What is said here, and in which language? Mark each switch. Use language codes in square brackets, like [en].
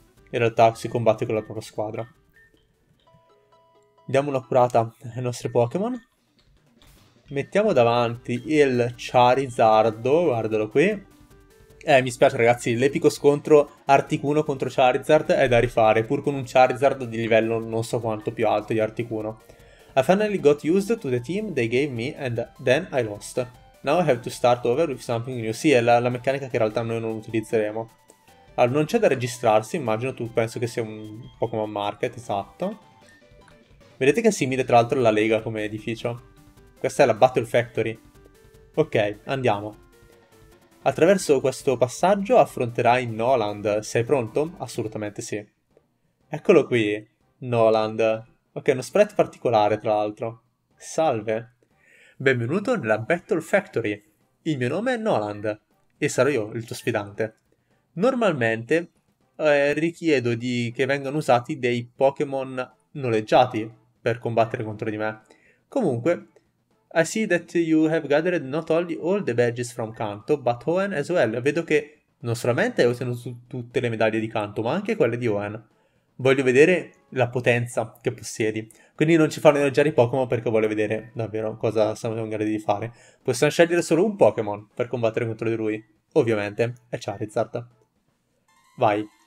[it] In realtà si combatte con la propria squadra. Diamo un'occhiata ai nostri Pokémon. Mettiamo davanti il Charizardo, guardalo qui. Mi spiace ragazzi, l'epico scontro Articuno contro Charizard è da rifare, pur con un Charizard di livello non so quanto più alto di Articuno. [en] I finally got used to the team they gave me and then I lost. Now I have to start over with something new. [it] Sì, è la meccanica che in realtà noi non utilizzeremo. Allora, non c'è da registrarsi, immagino tu, penso che sia un Pokémon Market, esatto. Vedete che è simile tra l'altro alla Lega come edificio. Questa è la Battle Factory. Ok, andiamo. Attraverso questo passaggio affronterai Noland. Sei pronto? Assolutamente sì. Eccolo qui, Noland. Ok, uno sprite particolare, tra l'altro. Salve. Benvenuto nella Battle Factory. Il mio nome è Noland e sarò io il tuo sfidante. Normalmente richiedo che vengano usati dei Pokémon noleggiati per combattere contro di me. Comunque, [en] I see that you have gathered not only all the badges from Kanto, but Hoenn as well. [it] Vedo che non solamente hai ottenuto tutte le medaglie di Kanto, ma anche quelle di Hoenn. Voglio vedere la potenza che possiedi. Quindi non ci fanno noleggiare i Pokémon perché voglio vedere davvero cosa siamo in grado di fare. Possiamo scegliere solo un Pokémon per combattere contro di lui. Ovviamente, è Charizard. Vai.